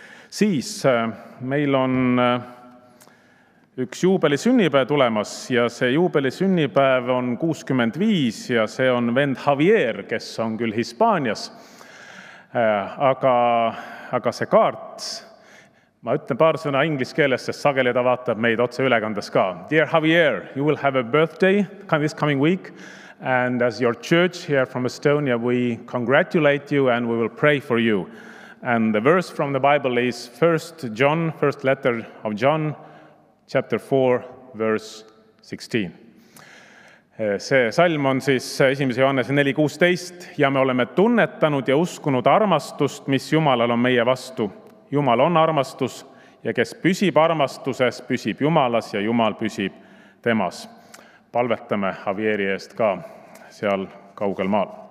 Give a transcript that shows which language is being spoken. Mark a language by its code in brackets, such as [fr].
[et] Siis meil on üks juubelisünnipäev tulemas ja see juubelisünnipäev on 65 ja see on vend Javier, kes on küll Hispaanias. Aga see kaart, ma ütlen paar sõna ingliskeeles, sest sageli ta vaatab meid otse ülekandes ka. [en] Dear Javier, you will have a birthday this coming week, and as your church here from Estonia, we congratulate you and we will pray for you. And the verse from the Bible is 1 John, first letter of John, chapter 4, verse 16. [et] See salm on siis 1. Johannes 4:16 ja me oleme tunnetanud ja uskunud armastust, mis Jumalal on meie vastu. Jumal on armastus ja kes püsib armastuses, püsib Jumalas ja Jumal püsib temas. Palvetame Javieri eest ka seal kaugel maal.